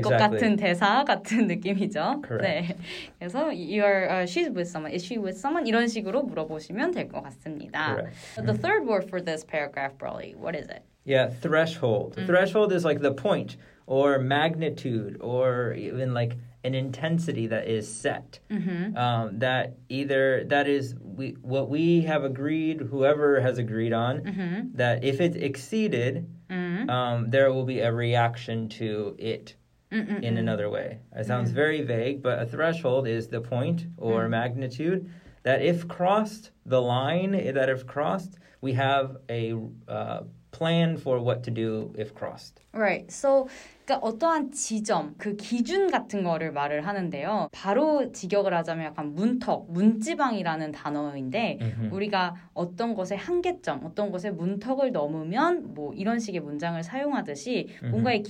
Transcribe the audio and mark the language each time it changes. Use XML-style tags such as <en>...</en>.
<ko>것 같은 대사 같은 느낌이죠.</ko> <en>Correct.</en> <ko>네. 그래서</ko> <en>she's with someone. Is she with someone?</en> <ko>이런 식으로 물어보시면 될 것 같습니다.</ko> <en>Correct. The third word for this paragraph, Broly, what is it? Yeah, threshold. Mm. Threshold is like the point or magnitude or even like an intensity that is set. Mm-hmm. What we have agreed, whoever has agreed on, mm-hmm. that if it's exceeded, mm-hmm. There will be a reaction to it mm-mm-mm. in another way. It sounds mm-hmm. very vague, but a threshold is the point or mm-hmm. magnitude that if crossed, the line that if crossed, we have a plan for what to do if crossed. Right.</en> <ko>So, 그러니까 어떠한 지점, 그 기준 같은 거를 말을 하는데요. 바로 직역을 하자면 약간 문턱, 문지방이라는 단어인데 mm-hmm. 우리가 어떤 것의 한계점, 어떤 것의 문턱을 넘으면 뭐 이런 식의 문장을 사용하듯이 뭔가의 mm-hmm.</ko>